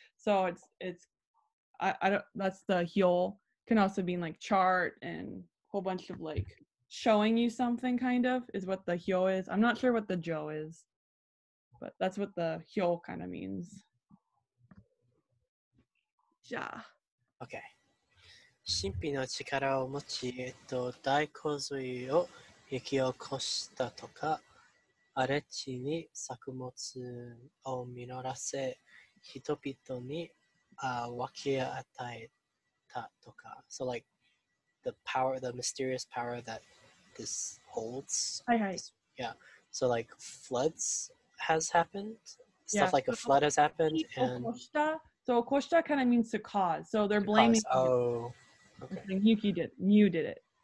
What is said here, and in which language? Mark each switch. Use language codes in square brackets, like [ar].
[en] So it's I don't, that's the hyo, can also mean like chart and whole bunch of like showing you something, kind of is what the hyo is. I'm not sure what the jo is, but that's what the hyo kind of means. Ja. Okay. [ja] 神秘の力を持ち、大洪水を引き起こしたとか、荒れ地に作物を実らせ、人々に分け与えたとか。 [en] So like, the power, the mysterious power that this holds. Hi, hi. Yeah, so like, floods has happened. Stuff yeah, like a flood has happened. And... So, koshita kind of means to cause. So, they're blaming cause. Oh. Okay. And Yuki did. Mew did it.